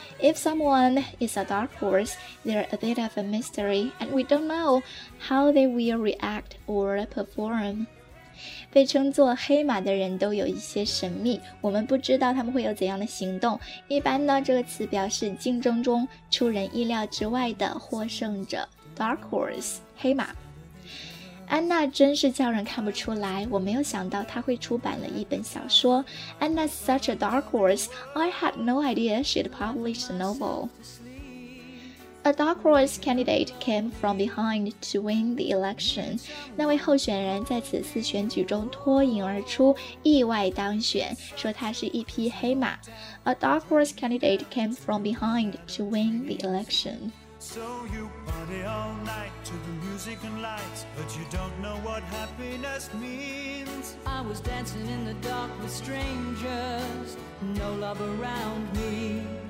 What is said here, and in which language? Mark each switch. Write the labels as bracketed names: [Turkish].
[English] If someone is a dark horse, they're a bit of a mystery, and we don't know how they will react or perform. [Chinese] 被称作黑马的人都有一些神秘，我们不知道他们会有怎样的行动。一般呢，这个词表示竞争中出人意料之外的获胜者， dark horse， 黑马。安娜真是叫人看不出来，我没有想到她会出版了一本小说。 [English] Anna's such a dark horse, I had no idea she'd published a novel. A dark horse candidate came from behind to win the election. [Chinese] 那位候选人在此次选举中脱颖而出，意外当选，说他是一匹黑马。 [English] A dark horse candidate came from behind to win the election. So you party all night to the music and lights, but you don't know what happiness means. I was dancing in the dark with strangers, no love around me.